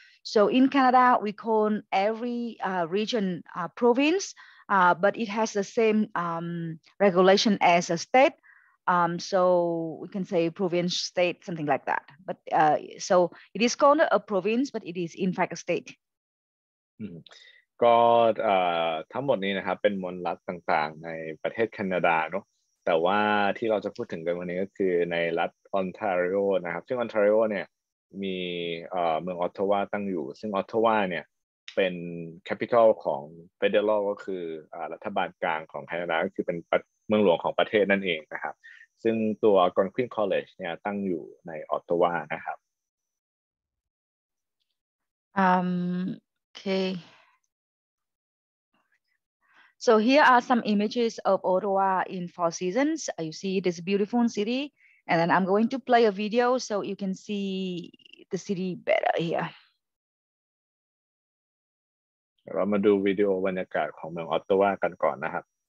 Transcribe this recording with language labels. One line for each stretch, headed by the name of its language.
English: So in Canada, we call every region province, but it has the same regulation as a state. So we can say province, state, something like that. But so it is called a province, but it is in fact a state.
Thai: ก็ทั้งหมดนี้นะครับเป็นมลรัฐต่างๆในประเทศแคนาดาเนาะแต่ว่าที่เราจะพูดถึงกันวันนี้ก็คือในรัฐออนทาริโอนะครับซึ่งออนทาริโอเนี่ยมีเมืองออตตาวาตั้งอยู่ซึ่งออตตาวาเนี่ยเป็นแคปิตอลของเฟเดอรัลก็คือรัฐบาลกลางของแคนาดาก็คือเป็นเมืองหลวงของประเทศนั่นเองนะครับซึ่งตัวกอนควินคอลเลจเนี่ยตั้งอยู่ในออตตาวานะครับ
English: Okay. So here are some images of Ottawa in four seasons. You see this beautiful city, and then I'm going to play a video so you can see the city better here.
Thai: เรามาดูวิดีโอบรรยากาศของเมืองออตตาวากันก่อนนะครับ